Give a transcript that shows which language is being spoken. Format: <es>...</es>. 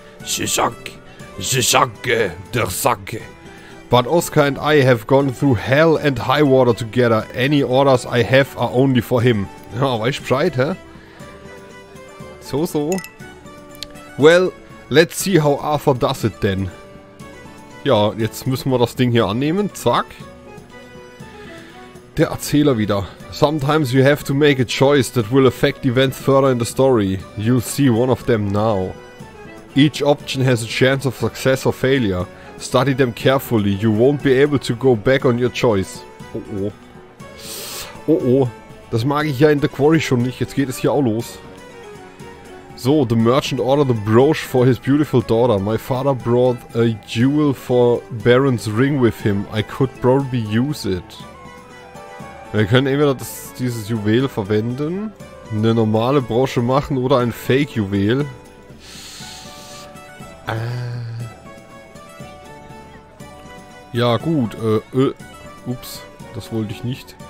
<de>Der Sack.</de> <en>But Oscar and I have gone through hell and high water together. Any orders I have are only for him.</en> <de>Ja, weißt Bescheid, hä? So, so.</de> <en>Well, let's see how Arthur does it then.</en> <de>Ja, jetzt müssen wir das Ding hier annehmen. Zack. Der Erzähler wieder.</de> <en>Sometimes you have to make a choice that will affect events further in the story. You'll see one of them now. Each option has a chance of success or failure. Study them carefully. You won't be able to go back on your choice.</en> <de>Oh, oh. Oh, oh. Das mag ich ja in The Quarry schon nicht. Jetzt geht es hier auch los.</de> <en>So, the merchant ordered a brooch for his beautiful daughter. My father brought a jewel for Baron's ring with him. I could probably use it.</en> <de>Wir können entweder dieses Juwel verwenden, eine normale Brosche machen oder ein Fake-Juwel. Ja, gut. Ups, das wollte ich nicht.</de>